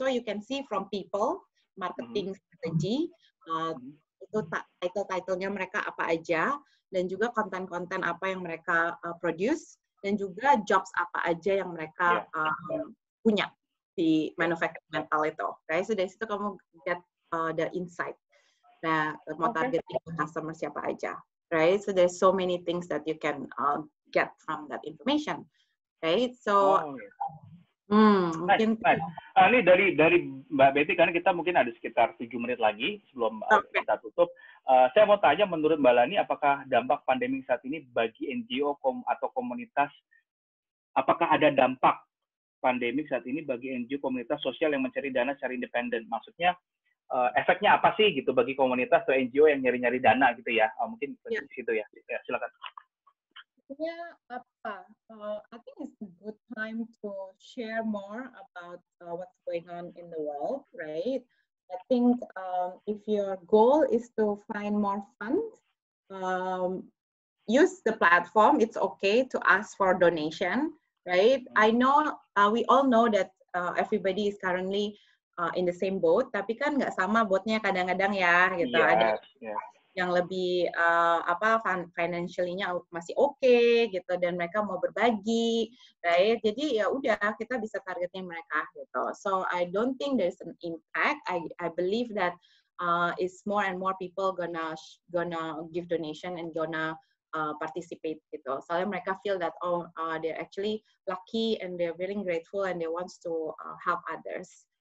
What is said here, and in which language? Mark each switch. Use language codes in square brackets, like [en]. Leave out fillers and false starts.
[en] So you can see from people marketing strategy, [id] itu title-titlenya mereka apa aja, dan juga konten-konten apa yang mereka produce, dan juga jobs apa aja yang mereka punya di manufacturing metal itu, guys. So dari situ kamu [en] get the insight. [id] Nah, mau targeting customer siapa aja, right? [en] So there's so many things that you can get from that information, right? So, [id] mungkin. Nice. Ini dari Mbak Betty, karena kita mungkin ada sekitar 7 menit lagi sebelum kita tutup. Saya mau tanya, menurut Mbak Lani, apakah dampak pandemi saat ini bagi NGO atau komunitas, apakah ada dampak pandemi saat ini bagi NGO komunitas sosial yang mencari dana secara independen? Maksudnya efeknya apa sih gitu bagi komunitas atau NGO yang nyari-nyari dana gitu ya? Mungkin di situ ya. Ya, silakan. Sebenarnya apa? [en] I think it's a good time to share more about what's going on in the world, right? I think if your goal is to find more funds, use the platform. It's okay to ask for donation, right? Mm-hmm. I know we all know that everybody is currently in the same boat, [id] tapi kan nggak sama boatnya kadang-kadang ya, gitu. [en] Yes, [id] ada [en] yes. [id] Yang lebih financially-nya masih okay, gitu, dan mereka mau berbagi, right? Jadi ya udah, kita bisa targetin mereka, gitu. [en] So I don't think there's an impact. I believe that it's more and more people gonna give donation and gonna participate, gitu. Soalnya mereka feel that they're actually lucky and they're really grateful and they want to help others.